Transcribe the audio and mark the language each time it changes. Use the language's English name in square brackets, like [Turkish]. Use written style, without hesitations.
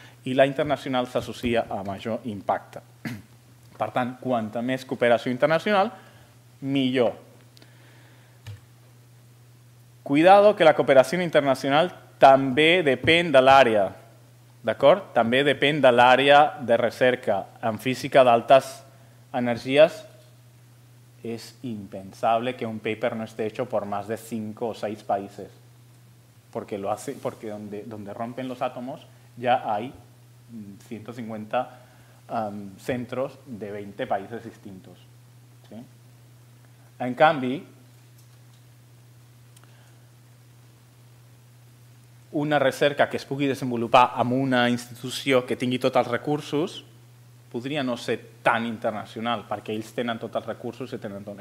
[Catalan] I la internacional s'associa a major impacte. Per tant, quanta més cooperació internacional, millor. Cuidado que la cooperació internacional també depèn de l'àrea, d'acord? També depèn de l'àrea de recerca. En física d'altes energies és impensable que un paper no [Spanish] esté hecho por más de 5 o 6 países, porque lo hace, porque donde rompen los átomos ya hay 150 centros de 20 países distintos. ¿Sí? [Catalan] En canvi, una recerca que es pugui desenvolupar en una institució que tingui tots els recursos podria no ser tan internacional, perquè ells tenen tots els recursos i tenen tot.